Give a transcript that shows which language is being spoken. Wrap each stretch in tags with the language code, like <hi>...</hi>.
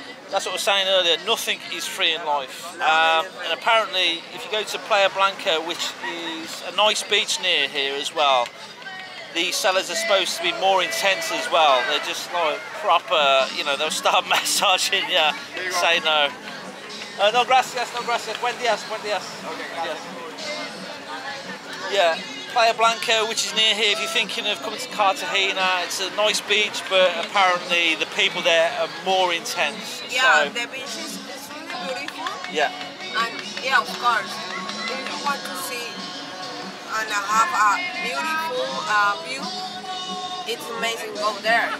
<en>That's what I was saying earlier, nothing is free in life. And apparently if you go to Playa Blanca, which is a nice beach near here as well, these sellers are supposed to be more intense as well. They're just like proper, you know, they'll start massaging you, say no.</en> <es>No gracias, no gracias, buen dias, buen dias.</es> <en>Okay, yeah. Playa Blanca, which is near here, if you're thinking of coming to Cartagena, it's a nice beach, but apparently the people there are more intense. Yeah, so the beach is really beautiful. Yeah. And yeah, of course, if you want to see and have a beautiful view, it's amazing to go there.</en>